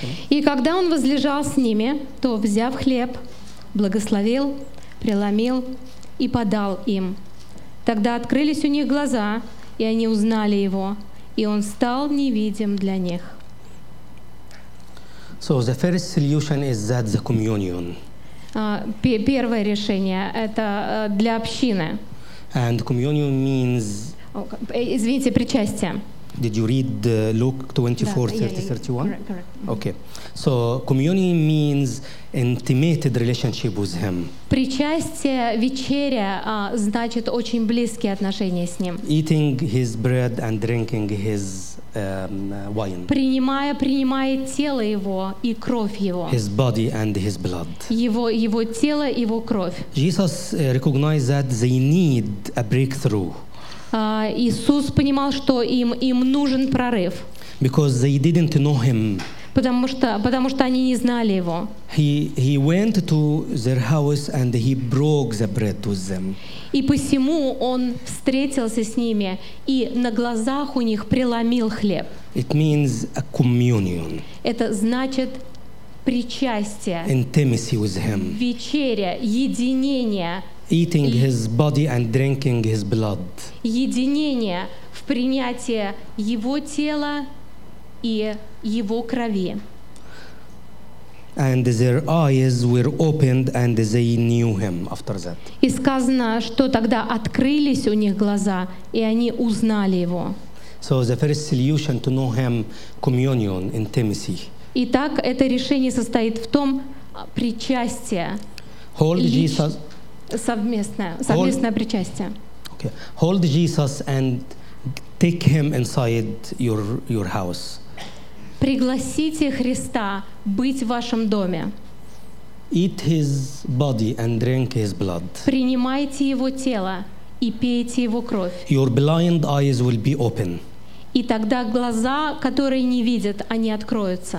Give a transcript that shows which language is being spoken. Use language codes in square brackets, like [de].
[ru] И когда он возлежал с ними, то, взяв хлеб, благословил, преломил и подал им. Тогда открылись у них глаза, и они узнали его, и он стал невидим для них. [en] So the first solution is that the communion. [ru] Первое решение – это для общины. [en] And communion means... [ru] Извините, причастие. [en] Did you read Luke 24, 30, 31? Okay. So communion means intimate relationship with him. [ru] Причастие, вечеря, значит очень близкие отношения с ним. [en] Eating his bread and drinking his wine. [ru] Принимая тело его и кровь его. [en] His body and his blood. [ru] Его тело, его кровь. [en] Jesus recognized that they need a breakthrough. [ru] Иисус понимал, что им нужен прорыв. [en] Because they didn't know him. [ru] Потому что они не знали его. [en] He went to their house and he broke the bread with them. [ru] И посему он встретился с ними и на глазах у них преломил хлеб. [en] It means a communion. [ru] Это значит причастие. [en] Intimacy with him. [ru] Вечеря, единение. [en] Eating his body and drinking his blood. [ru] Единение в принятии его тела и его крови. [en] And their eyes were opened and they knew him after that. [ru] И сказано, что тогда открылись у них глаза, и они узнали его. [en] So the first solution to know him, communion, intimacy. [ru] Итак, это решение состоит в том, причастие. [en] Hold Jesus. [ru] Совместное причастие. [en] Okay. Hold Jesus and take him inside your house. [ru] Пригласите Христа быть в вашем доме. [en] Eat his body and drink his blood. [ru] Принимайте его тело и пейте его кровь. [en] Your blind eyes will be open. [ru] И тогда глаза, которые не видят, они откроются.